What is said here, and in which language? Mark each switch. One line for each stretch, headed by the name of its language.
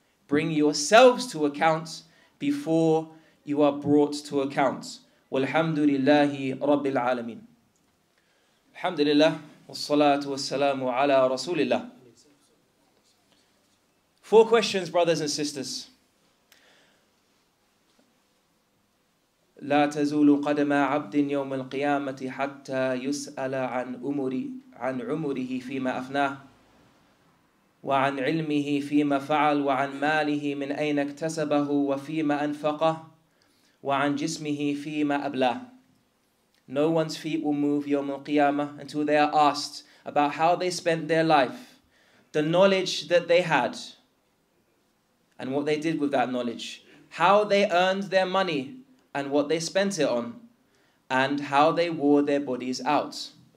English: Bring yourselves to account before you are brought to account.
Arabic: وَالْحَمْدُ لِلَّهِ رَبِّ الْعَالَمِينَ. Alhamdulillah. Wassalatu wassalamu ala rasulillah.
English: Four questions, brothers and sisters.
Arabic: لا تزول قدم عبد يوم القيامة حتى يسأل عن عمره فيما أفناه وعن علمه فيما فعل وعن ماله من أين اكتسبه وفيما أنفقه وعن جسمه فيما أبلاه.
English: No one's feet will move
Arabic: يوم القيامة
English: until they are asked about how they spent their life, the knowledge that they had, and what they did with that knowledge, how they earned their money and what they spent it on, and how they wore their bodies out.